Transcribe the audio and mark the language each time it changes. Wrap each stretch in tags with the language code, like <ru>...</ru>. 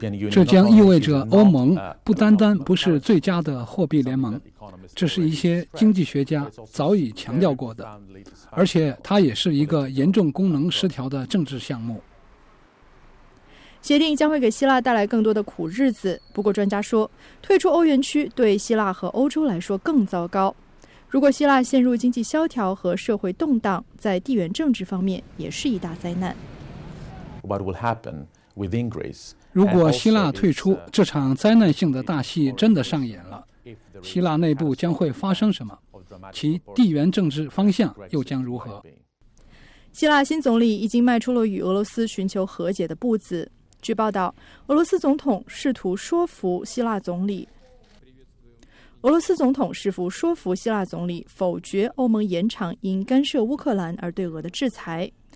<zh>这将意味着欧盟不单单不是最佳的货币联盟，这是一些经济学家早已强调过的，而且它也是一个严重功能失调的政治项目。协定将会给希腊带来更多的苦日子，不过专家说，退出欧元区对希腊和欧洲来说更糟糕。如果希腊陷入经济萧条和社会动荡，在地缘政治方面也是一大灾难。</zh> <en>What will happen within Greece？</en> <zh>如果希腊退出，这场灾难性的大戏真的上演了，希腊内部将会发生什么？其地缘政治方向又将如何？希腊新总理已经迈出了与俄罗斯寻求和解的步子。据报道，俄罗斯总统试图说服希腊总理否决欧盟延长因干涉乌克兰而对俄的制裁。</zh>